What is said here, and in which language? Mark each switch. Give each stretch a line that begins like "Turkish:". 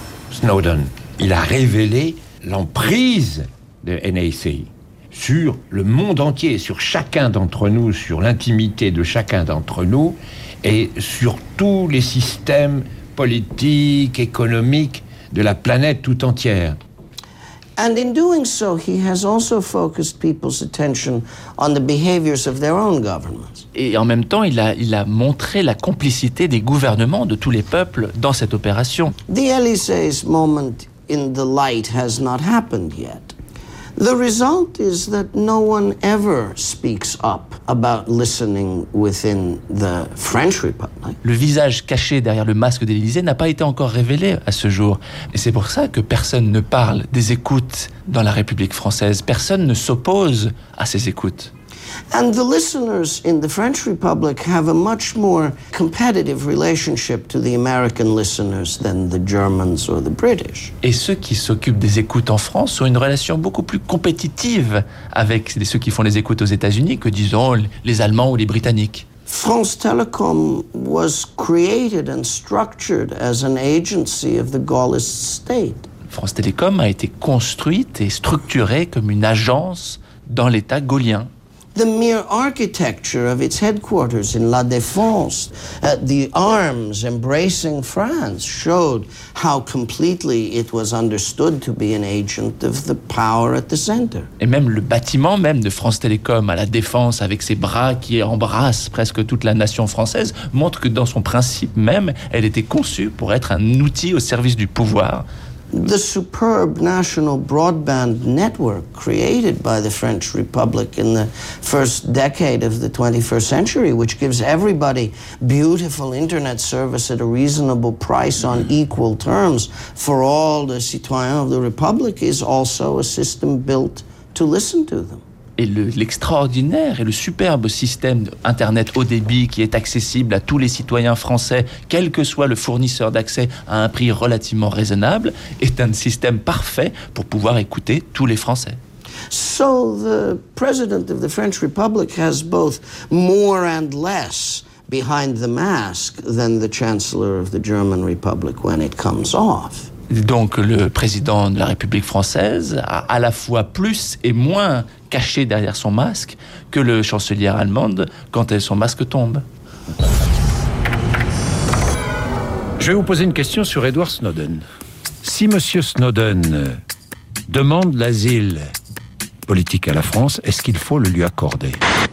French: Snowden, il a révélé l'emprise de NSA sur le monde entier, sur chacun d'entre nous, sur l'intimité de chacun d'entre nous et sur tous les systèmes politiques, économiques de la planète tout entière.
English: And in doing so, he has also focused people's attention on the behaviors of their own governments.
French: Et en même temps, il a montré la complicité des gouvernements de tous les peuples dans cette opération.
English: The Élysée's moment in the light has not happened yet. The result is that no one ever speaks up about listening within the French Republic.
French: Le visage caché derrière le masque de l'Élysée n'a pas été encore révélé à ce jour. Et c'est pour ça que personne ne parle des écoutes dans la République française. Personne ne s'oppose à ces écoutes.
English: And the listeners in the French Republic have a much more competitive relationship to the American listeners than the Germans or the British.
French: Et ceux qui s'occupent des écoutes en France ont une relation beaucoup plus compétitive avec ceux qui font les écoutes aux États-Unis que, disons, les Allemands ou les Britanniques.
English: France Telecom was created and structured as an agency of the Gaullist state.
French: France Telecom a été construite et structurée comme une agence dans l'État gaulien.
English: The mere architecture of its headquarters in La Défense, the arms embracing France, showed how completely it was understood to be an agent of the power at the center.
French: Et même le bâtiment même de France Télécom à La Défense, avec ses bras qui embrassent presque toute la nation française, montre que dans son principe même, elle était conçue pour être un outil au service du pouvoir.
English: The superb national broadband network created by the French Republic in the first decade of the 21st century, which gives everybody beautiful internet service at a reasonable price on equal terms for all the citoyens of the Republic, is also a system built to listen to them.
French: Et l'extraordinaire et le superbe système Internet haut débit qui est accessible à tous les citoyens français, quel que soit le fournisseur d'accès, à un prix relativement raisonnable, est un système parfait pour pouvoir écouter tous les Français.
English: So the president of the French Republic has both more and less behind the mask than the chancellor of the German Republic when it comes off.
French: Donc le président de la République française a à la fois plus et moins caché derrière son masque que le chancelier allemand quand son masque tombe. Je vais vous poser une question sur Edward Snowden. Si M. Snowden demande l'asile politique à la France, est-ce qu'il faut le lui accorder ?